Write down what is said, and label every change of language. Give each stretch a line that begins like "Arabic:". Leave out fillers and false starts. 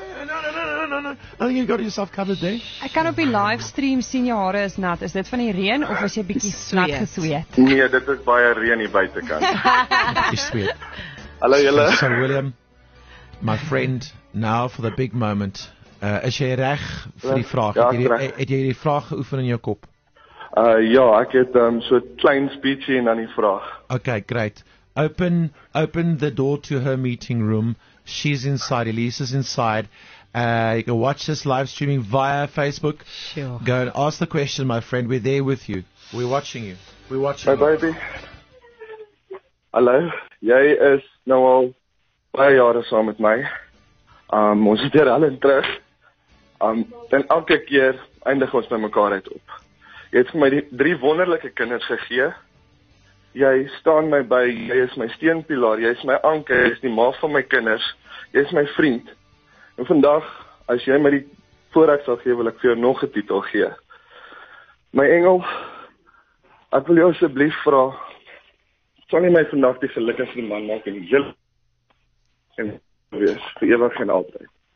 English: No. I think you got yourself covered there.
Afrikaans: Ek kan op die live stream sien jou hare is nat. Is dit van die reën of is jy bietjie nat gesweet? Nee, dit is baie reën hier buitekant. Jy sweet. Hallo julle.
English: So William, my friend, now for the big moment.
Afrikaans: Is jy reg vir die vraag? Ja, het jy die vraag geoefen in jou kop? Ja, ek het so 'n klein speechie en dan die vraag.
English: Okay, great. Open the door to her meeting room. She's inside. Elise is inside. You can watch this live streaming via Facebook. Sure. Go and ask the question, my friend. We're there with you. We're watching you. Hi, baby. Hallo.
Afrikaans: Jy is nou al baie jare saam met my. Ons is weer al in terug. En elke keer eindig ons by mekaar uit op. Jy het vir my 3 wonderlike kinders gegee. Jy staan my by, jy is my steunpilaar, jy is my anker, jy is die ma van my kinders, jy is my vriend. En vandag, as jy my die voorreg sal gee, wil ek vir jou nog 'n titel gee. My engel, ek wil jou asseblief vra, sal jy my vandag die gelukkigste man maak in die hele en wees, vir ewig en altyd.